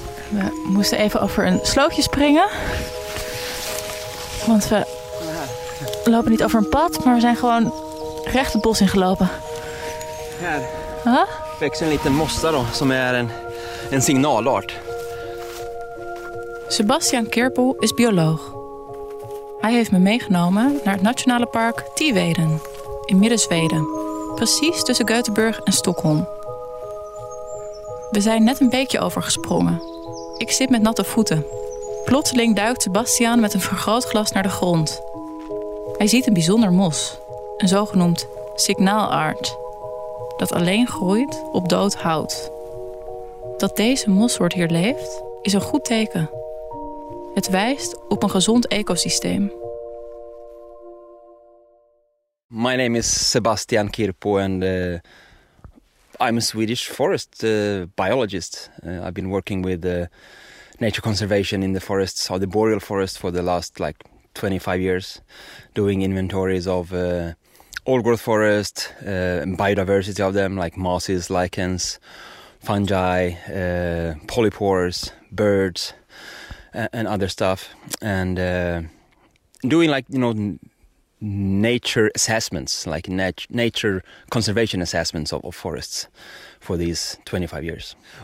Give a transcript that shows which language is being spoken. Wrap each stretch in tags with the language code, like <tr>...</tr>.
<nl>We moesten even over een slootje springen. Want we lopen niet over een pad, maar we zijn gewoon recht het bos ingelopen.</nl> <sv>Här växer en liten mossa då, som är en signalart.</sv> <nl>Sebastian Kirpel is bioloog. Hij heeft me meegenomen naar het nationale park Tiveden in Midden-Zweden. Precies tussen Göteborg en Stockholm. We zijn net een beetje overgesprongen. Ik zit met natte voeten. Plotseling duikt Sebastian met een vergrootglas naar de grond. Hij ziet een bijzonder mos. Een zogenoemd signaalaard. Dat alleen groeit op dood hout. Dat deze mossoort hier leeft, is een goed teken. Het wijst op een gezond ecosysteem.</nl> <en>My name is Sebastian Kirpo and I'm a Swedish forest biologist. I've been working with nature conservation in the forests, or the boreal forest, for the last like 25 years, doing inventories of old-growth forest, and biodiversity of them, like mosses, lichens, fungi, polypores, birds, and other stuff, and doing like, you know, nature assessments, like nature conservation assessments of forests for these 25 years.</en>